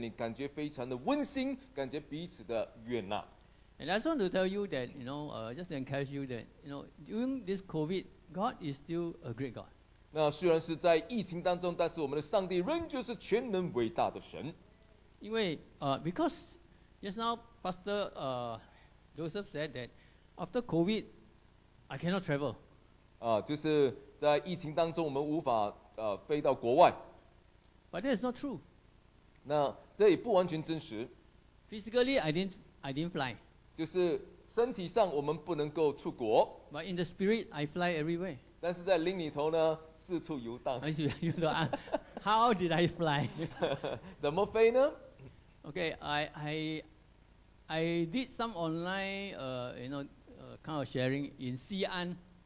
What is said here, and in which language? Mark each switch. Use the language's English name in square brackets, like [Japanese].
[Chinese] 那在一个很家庭式的教会里面，你感觉非常的温馨，感觉彼此的远纳。 [English] And I just want to tell you that, you know, just to encourage you that, you know, during this COVID, God is still a great God. [Chinese] 那虽然是在疫情当中，但是我们的上帝仍旧是全能伟大的神。 [English] 因为, because just now Pastor Joseph said that after COVID, I cannot travel. [Chinese] 就是在疫情当中我们无法 飞到国外。 [English] But that is not true. [Chinese] 那这也不完全真实。 [English] Physically, I didn't fly. [Chinese] 就是身体上我们不能够出国。 [English] But in the spirit, I fly everywhere. [Chinese] 但是在灵里头呢, 四处游荡。 [English] You don't ask, how did I fly? [Chinese] 怎么飞呢? [English] Okay, I did some online, you know, kind of sharing in Xi'an.